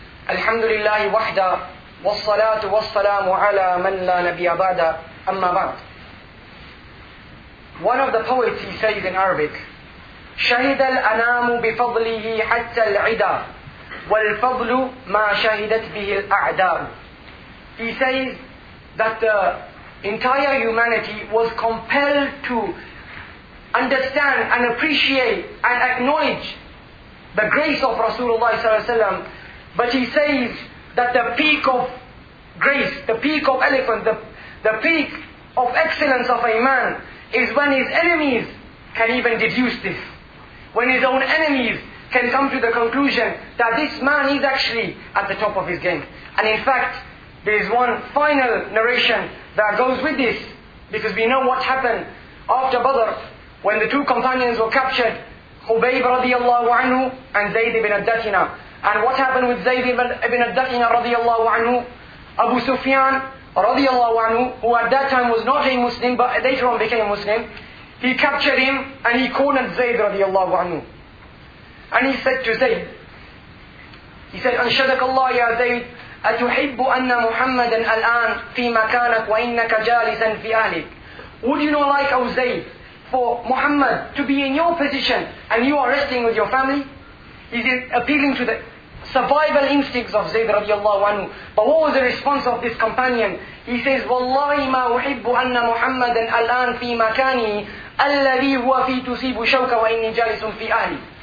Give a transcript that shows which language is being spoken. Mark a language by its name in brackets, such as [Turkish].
[Arabic] الحمد لله وحده والصلاة والسلام على من لا نبي بعده أما بعد. [English] One of the poets he says in Arabic, [Arabic] شهد الأنام بفضله حتى العدا والفضل ما شهدت به الأعداء. [English] He says that the entire humanity was compelled to understand and appreciate and acknowledge the grace of Rasulullah ﷺ, but he says that the peak of grace, the peak of eloquence, the peak of excellence of a man is when his enemies can even deduce this. When his own enemies can come to the conclusion that this man is actually at the top of his game. And in fact, there is one final narration that goes with this, because we know what happened after Badr, when the two companions were captured, Khubayb radiallahu anhu and Zayd ibn al-Dathina. And what happened with Zayd ibn al-Dathina radiallahu anhu? Abu Sufyan radiallahu anhu, who at that time was not a Muslim but later on became a Muslim, he captured him and he cornered Zayd radiallahu anhu. And he said to Zayd, he said, [Arabic] أَنْشَدَكَ اللَّهِ يَا زَيْدِ أَتُحِبُّ أَنَّ مُحَمَّدًا الْآنْ فِي مَكَانَكْ وَإِنَّكَ جَالِسًا فِي أَهْلِكَ. [English] Would you not like, O Zayd, for Muhammad to be in your position and you are resting with your family? He's appealing to the survival instincts of Zayd radiallahu anhu. But what was the response of this companion? He says, [Arabic] وَاللَّهِ مَا أُحِبُّ أَنَّ مُحَمَّدًا الْآنْ فِي مَكَانِي أَلَّذِي هُوَ فِي تُسِيبُ شَوْكَ وَإِنِّي جَالِسٌ فِي أَهْلِ.